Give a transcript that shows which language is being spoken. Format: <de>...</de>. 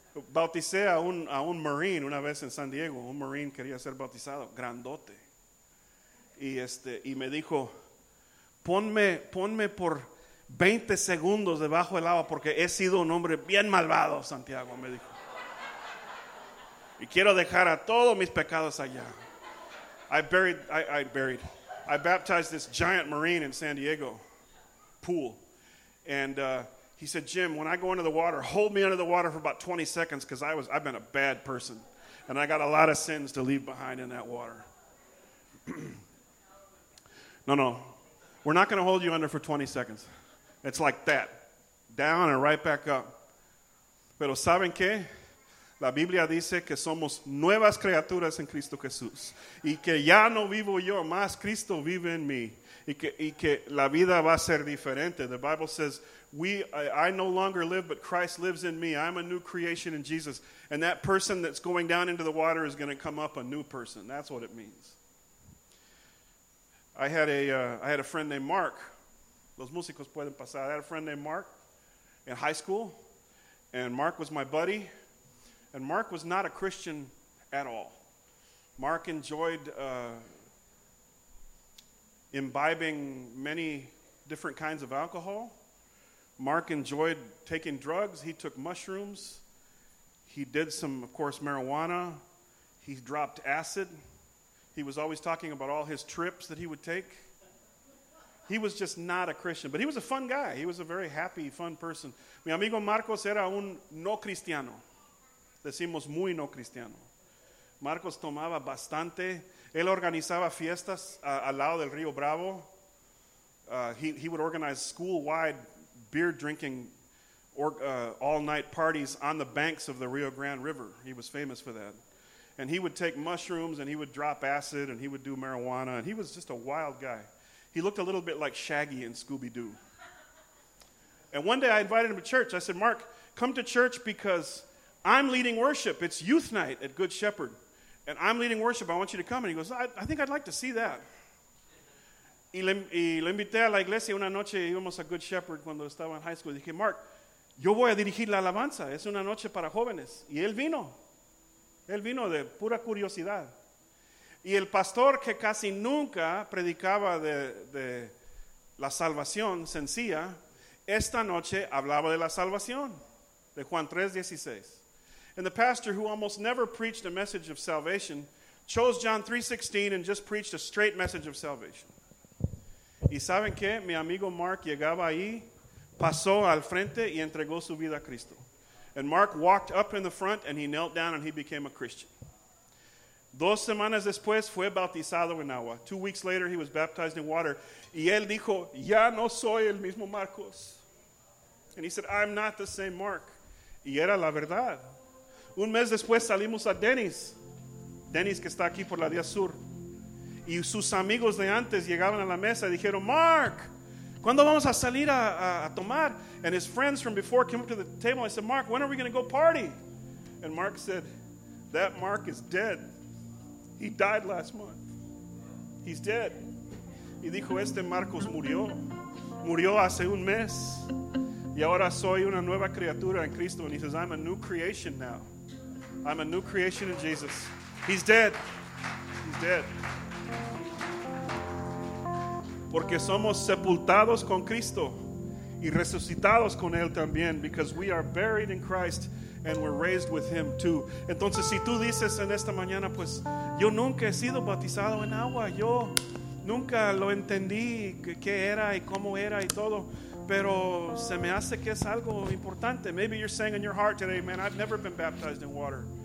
<es>Bauticé a un marine una vez en San Diego. Un marine quería ser bautizado, grandote. Y me dijo, ponme por 20 segundos debajo del agua porque he sido un hombre bien malvado, Santiago, me dijo. Y quiero dejar a todos mis pecados allá.</es> <en>I baptized this giant marine in San Diego pool. And he said, Jim, when I go into the water, hold me under the water for about 20 seconds because I've been a bad person. And I got a lot of sins to leave behind in that water. No. We're not going to hold you under for 20 seconds. It's like that. Down and right back up.</en> <es>Pero ¿saben qué? La Biblia dice que somos nuevas criaturas en Cristo Jesús. Y que ya no vivo yo, más Cristo vive en mí. Y que la vida va a ser diferente.</es> <en>The Bible says, I no longer live, but Christ lives in me. I'm a new creation in Jesus. And that person that's going down into the water is going to come up a new person. That's what it means. I had a friend named Mark.</en> <es>Los músicos pueden pasar.</es> <en>I had a friend named Mark in high school. And Mark was my buddy. And Mark was not a Christian at all. Mark enjoyed imbibing many different kinds of alcohol. Mark enjoyed taking drugs. He took mushrooms. He did some, of course, marijuana. He dropped acid. He was always talking about all his trips that he would take. He was just not a Christian, but he was a fun guy. He was a very happy, fun person.</en> <es>Mi amigo Marcos era un no cristiano. Decimos muy no cristiano. Marcos tomaba bastante. Él organizaba fiestas al lado del Río Bravo.</es> <en>He would organize school-wide beer drinking all-night parties on the banks of the Rio Grande River. He was famous for that. And he would take mushrooms, and he would drop acid, and he would do marijuana. And he was just a wild guy. He looked a little bit like Shaggy in Scooby-Doo. And one day I invited him to church. I said, Mark, come to church because I'm leading worship. It's youth night at Good Shepherd. And I'm leading worship. I want you to come. And he goes, I think I'd like to see that.</en> <es>Y lo invité a la iglesia una noche. Íbamos a Good Shepherd cuando estaba en high school. Dije, Mark, yo voy a dirigir la alabanza. Es una noche para jóvenes. Y él vino. Él vino de pura curiosidad. Y el pastor que casi nunca predicaba de la salvación sencilla, esta noche hablaba de la salvación, de Juan 3:16.</es> <en>And the pastor who almost never preached a message of salvation chose John 3:16 and just preached a straight message of salvation.</en> <es>¿Y saben qué? Mi amigo Mark llegaba ahí, pasó al frente y entregó su vida a Cristo.</es> <en>And Mark walked up in the front and he knelt down and he became a Christian.</en> <es>2 semanas después fue bautizado en agua.</es> <en>2 weeks later he was baptized in water.</en> <es>Y él dijo, ya no soy el mismo Marcos.</es> <en>And he said, I'm not the same Mark.</en> <es>Y era la verdad. Un mes después salimos a Denny's. Denny's que está aquí por la Día Sur. Y sus amigos de antes llegaban a la mesa y dijeron, Mark, ¿cuándo vamos a salir a tomar?</es> <en>And his friends from before came up to the table. I said, Mark, when are we going to go party? And Mark said, that Mark is dead. He died last month. He's dead.</en> <es>Y dijo, este Marcos murió. Murió hace un mes. Y ahora soy una nueva criatura en Cristo.</es> <en>And he says, I'm a new creation now. I'm a new creation in Jesus. He's dead. He's dead.</en> <es>Porque somos sepultados con Cristo y resucitados con Él también.</es> <en>Because we are buried in Christ and we're raised with Him too.</en> <es>Entonces, si tú dices en esta mañana, pues, yo nunca he sido bautizado en agua. Yo nunca lo entendí qué era y cómo era y todo. Pero se me hace que es algo importante.</es> <en>Maybe you're saying in your heart today, man, I've never been baptized in water.</en>